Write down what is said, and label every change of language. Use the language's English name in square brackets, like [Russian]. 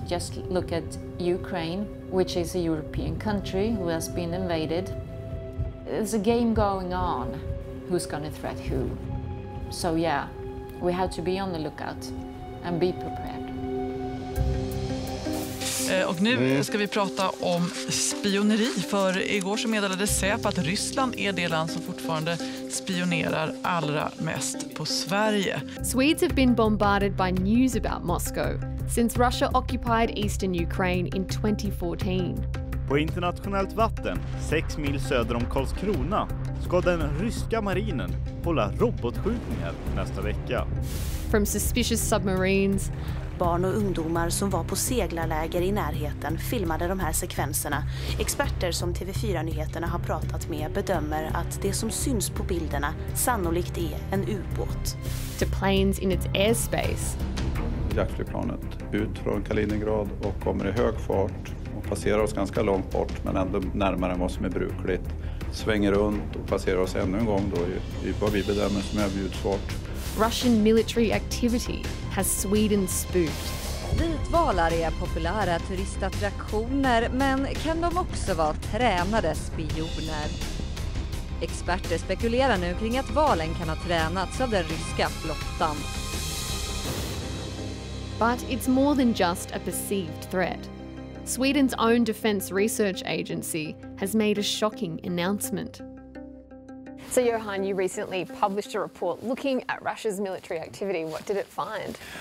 [English] Just look at Ukraine, which is a European country who has been invaded. There's a game going on, who's going to threat who. So yeah, we have to be on the lookout and be prepared. [Swedish] Och nu ska vi prata om spioneri, för igår så meddelade Säpo att Ryssland är det land som fortfarande spionerar allra mest på Sverige. [English] Swedes have been bombarded by news about Moscow since Russia occupied eastern Ukraine in 2014. [Swedish] På internationellt vatten, 6 mil söder om Karlskrona, ska den ryska marinen hålla robotskjutningar nästa vecka. [English] From suspicious submarines. [Swedish] Barn och ungdomar som var på seglarläger i närheten filmade de här sekvenserna. Experter som TV4-nyheterna har pratat med bedömer att det som syns på bilderna sannolikt är en ubåt. [English] To planes in its airspace. [Swedish] Jaktflygplanet ut från Kaliningrad och kommer i hög fart och passerar oss ganska långt bort, men ändå närmare än vad som är brukligt. Svänger runt och passerar oss ännu en gång då i vad vi bedömer som överljudsfart. [English] Russian military activity has Sweden spooked. [Swedish] Vitvalar är populära turistattraktioner, men kan de också vara tränade spioner? Experter spekulerar nu kring att valen kan ha tränats av den ryska flottan. [English] But it's more than just a perceived threat. Sweden's own defense research agency has made a shocking announcement. So Johan, you recently published a report looking at Russia's military activity. What did it find?